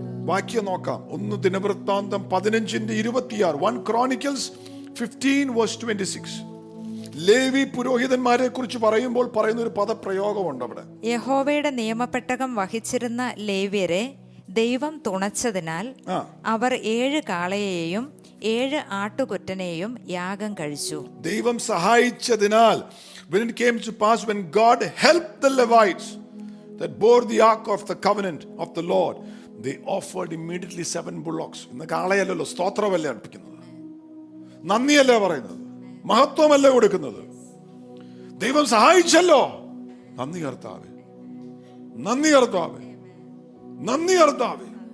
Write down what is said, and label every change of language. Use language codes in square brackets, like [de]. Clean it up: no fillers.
[ml] വാക്യം നോക്കാം. ഒന്ന് ദിനവൃത്താന്തം 15:26, 1 Chronicles 15:26. ലേവി പുരോഹിതന്മാരെ കുറിച്ച് പറയുമ്പോൾ പറയുന്ന ഒരു പദപ്രയോഗമുണ്ട് അവിടെ. യഹോവയുടെ നിയമപ്പെട്ടകം വഹിച്ചിരുന്ന ലേവ്യരെ ദൈവം തുണച്ചതിനാൽ അവർ 7 കാളയെയും 7 ആട്ടുകൊറ്റനെയും യാഗം കഴിച്ചു. ദൈവം സഹായിച്ചതിനാൽ, [en] when it came to pass, when God helped the Levites that bore the ark of the covenant of the Lord, they offered immediately 7 bullocks. [ml] ഇന്ന് കാളയല്ലല്ലോ സ്തോത്രമല്ലേ അർപ്പിക്കുന്നത്, നന്ദിയല്ലേ പറയുന്നത്, മഹത്വമല്ലേ കൊടുക്കുന്നത്. ദൈവം സഹായിച്ചല്ലോ, നന്ദി കർത്താവേ, നന്ദി കർത്താവേ, നന്ദി കർത്താവേ.